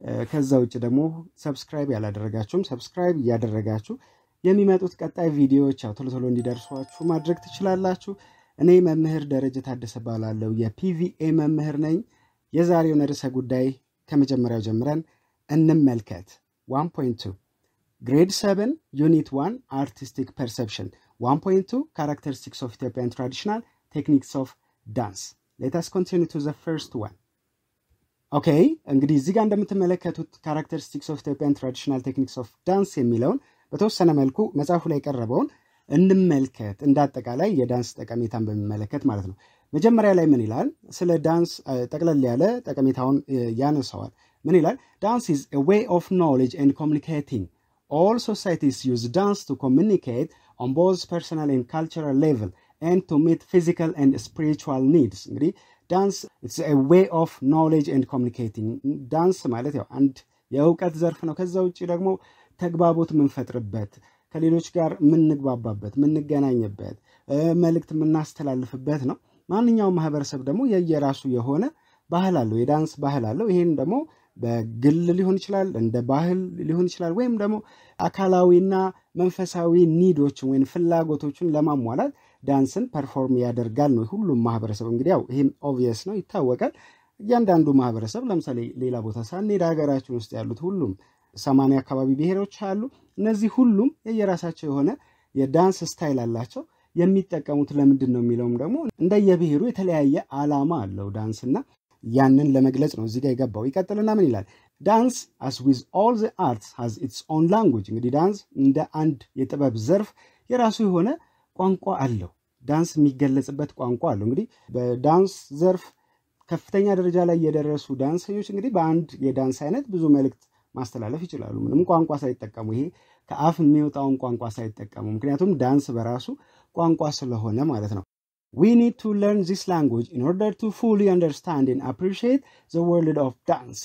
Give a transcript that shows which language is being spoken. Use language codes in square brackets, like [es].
[am] ከዛ ውጪ ደግሞ ሰብስክራይብ ያላደረጋችሁም ሰብስክራይብ ያደረጋችሁ የሚመጡት ቀጣይ ቪዲዮዎች አው ቶሎ እንዲደርሷችሁ ማድረግ ትችላላችሁ። እኔ መምህር ደረጀ ታደሰ ባላለሁ የፒቪኤ መምህር ነኝ። የዛሬው ነርሰ ጉዳይ ከመጀመሪያው ጀምረን እንመልከት። 1.2 Grade 7 Unit 1 Artistic Perception 1.2 Characteristics of Ethiopian Traditional Techniques of Dance. [en] Let us continue to the first one. [am] Okay, እንግዲህ እዚህ ጋር እንደምትመለከቱት Characteristics of Ethiopian Traditional Techniques of Dance የሚለውን በተወሰነ መልኩ መጽሐፉ ላይ ቀረበውን እንመልከት እንዳጠቃላይ የዳንስ ጠቀሜታን በሚመለከት ማለት ነው። መጀመሪያ ላይ ምን ይላል? ስለ ዳንስ ጠቅለል ያለ ጠቀሜታውን ያነሳዋል። ምን ይላል? [en] Dance is a way of knowledge and communicating. All societies use dance to communicate on both personal and cultural level and to meet physical and spiritual needs. እንግዲህ dance it's a way of knowledge and communicating. [am] ዳንስ ማለት ያው አንድ የውቀት ዘርፍ ነው። ከዛ ውጪ ደግሞ ተግባቦት ምንፈጥርበት ከሌሎች ጋር ምንግባባበት ምንገናኝበት መልእክት ምናስተላልፍበት ነው። ማንኛውም ማህበረሰብ ደግሞ የየራሱ የሆነ ባህል አለው፣ የዳንስ ባህል አለው። ይሄን ደግሞ በግል ሊሆን ይችላል እንደ ባህል ሊሆን ይችላል ወይም ደግሞ አካላዊና መንፈሳዊ ኒዶችን ወይም ፍላጎቶችን ለማሟላት ዳንስን ፐርፎርም ያደርጋል ነው ሁሉም ማህበረሰብ። እንግዲህ ያው ይሄም ኦብቪየስ ነው ይታወቃል። እያንዳንዱ ማህበረሰብ ለምሳሌ ሌላ ቦታ ሳንሄድ ሀገራችን ውስጥ ያሉት ሁሉም 80 አካባቢ ብሔሮች አሉ። እነዚህ ሁሉም የየራሳቸው የሆነ የዳንስ ስታይል አላቸው። የሚጠቀሙት ለምንድን ነው የሚለውም ደግሞ እንደየብሔሩ የተለያየ አላማ አለው ዳንስና ያንን ለመግለጽ ነው እዚህ ጋር የገባው። ይቀጥልና ምን ይላል? [en] Dance as with all the arts has its own language. [am] እንግዲህ ዳንስ እንደ አንድ የጥበብ ዘርፍ የራሱ የሆነ ቋንቋ አለው። ዳንስ የሚገለጽበት ቋንቋ አለው። እንግዲህ በዳንስ ዘርፍ ከፍተኛ ደረጃ ላይ የደረሱ ዳንሰኞች እንግዲህ በአንድ የዳንስ አይነት ብዙ መልእክት ማስተላለፍ ይችላሉ ምንም ቋንቋ ሳይጠቀሙ፣ ይሄ ከአፍ የሚወጣውን ቋንቋ ሳይጠቀሙ፣ ምክንያቱም ዳንስ በራሱ ቋንቋ ስለሆነ ማለት ነው። [en] We need to learn this language in order to fully understand and appreciate the world of dance.